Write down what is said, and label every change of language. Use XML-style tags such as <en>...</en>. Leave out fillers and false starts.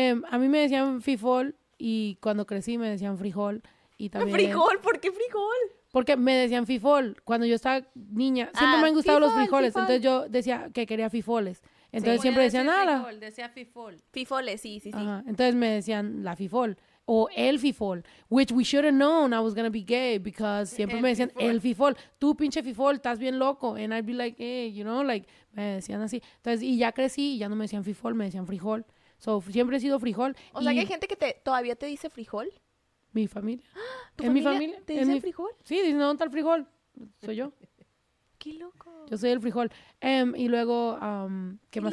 <es>A mí me decían Fifol y cuando crecí me decían Frijol. Y también ¿Frijol? ¿Por qué Frijol? Porque me decían Fifol cuando yo estaba niña. Siempre me han gustado Fifol, los frijoles. Fifol. Entonces yo decía que quería Fifoles. Entonces sí, siempre decía nada. Frijol, decía Fifol. Fifoles, sí. Ajá. Entonces me decían la Fifol o el Fifol.</es> <en>Which we should have known I was going to be gay because</en> <es>siempre me decían Fifol. El Fifol. Tú, pinche Fifol, estás bien loco.</es> <en>And I'd be like, hey, you know, like,</en> <es>me decían así. Entonces, y ya crecí y ya no me decían Fifol, me decían Frijol. So, siempre he sido Frijol. O sea, que hay gente que todavía te dice Frijol. Mi familia. ¿Tu familia? ¿Te dicen Frijol? Sí, dicen, ¿dónde está el frijol? Soy yo. ¡Qué loco! Yo soy el frijol. Y luego, ¿qué más?</es>